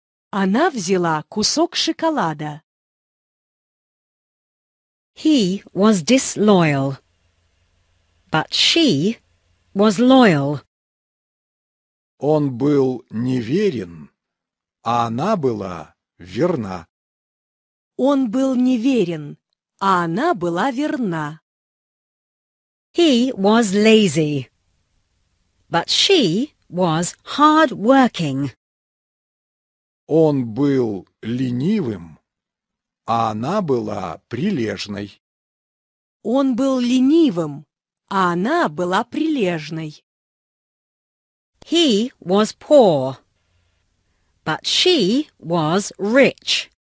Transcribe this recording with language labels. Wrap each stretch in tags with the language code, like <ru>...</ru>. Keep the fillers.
<ru>она взяла кусок шоколада</ru> <en>He was disloyal, but she was loyal.</en> <ru>Он был неверен, а она была верна. Он был неверен, а она была верна.</ru> <en>He was lazy, but she was hard-working.</en> <ru>Он был ленивым, а она была верна. а она была прилежной. Он был ленивым, а она была прилежной.</ru> <en>He was poor, but she was rich.</en>